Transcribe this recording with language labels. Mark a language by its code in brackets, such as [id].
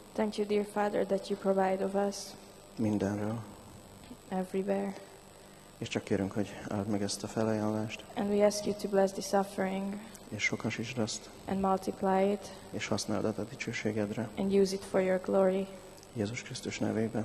[en] Thank you, dear Father, that you provide of us. [hu] Mindenről. [en] Everywhere. [hu] És csak kérünk, hogy áld meg ezt a felajánlást. [en] And we ask you to bless this offering. [hu] És sokasítsd azt. [en] And multiply it. [hu] És használd a dicsőségedre. [en] And use it for your glory. [hu] Jézus Krisztus nevében.